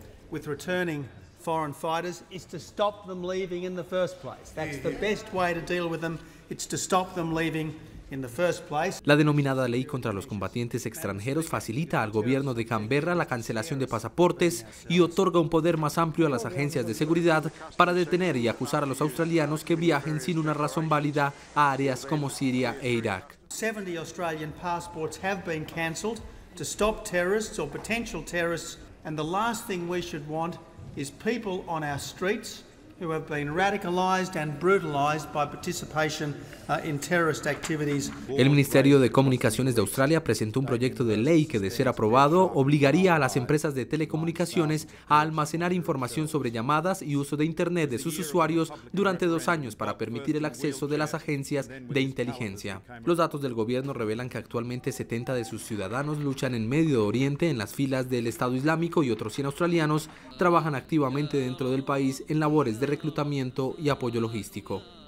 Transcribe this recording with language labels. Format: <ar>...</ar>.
<en>With returning foreign fighters is to stop them leaving in the first place. That's the best way to deal with them. It's to stop them leaving in the first place.</en> <es>La denominada ley contra los combatientes extranjeros facilita al gobierno de Canberra la cancelación de pasaportes y otorga un poder más amplio a las agencias de seguridad para detener y acusar a los australianos que viajen sin una razón válida a áreas como Siria e Irak.</es> <en>70 Australian passports have been cancelled to stop terrorists or potential terrorists. And the last thing we should want is people on our streets who have been radicalized and brutalized by participation in terrorist activities.</en> <es>El Ministerio de Comunicaciones de Australia presentó un proyecto de ley que, de ser aprobado, obligaría a las empresas de telecomunicaciones a almacenar información sobre llamadas y uso de Internet de sus usuarios durante 2 años para permitir el acceso de las agencias de inteligencia. Los datos del gobierno revelan que actualmente 70 de sus ciudadanos luchan en Medio Oriente en las filas del Estado Islámico y otros 100 australianos trabajan activamente dentro del país en labores de reclutamiento y apoyo logístico.</es>